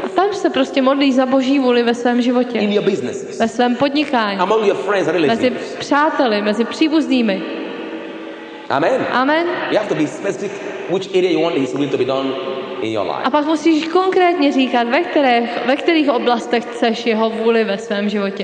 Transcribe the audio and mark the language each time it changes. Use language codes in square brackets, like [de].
[cs] A tam se prostě modlíš za Boží vůli ve svém životě. [en] In your businesses. [cs] Ve svém podnikání. [en] Among your friends and relatives. [cs] Mezi přáteli, mezi příbuznými. [en] Amen. [cs] Amen. [en] You have to be specific which area you want His will to be done in your life. [cs] A pak musíš konkrétně říkat, ve kterých oblastech chceš Jeho vůli ve svém životě.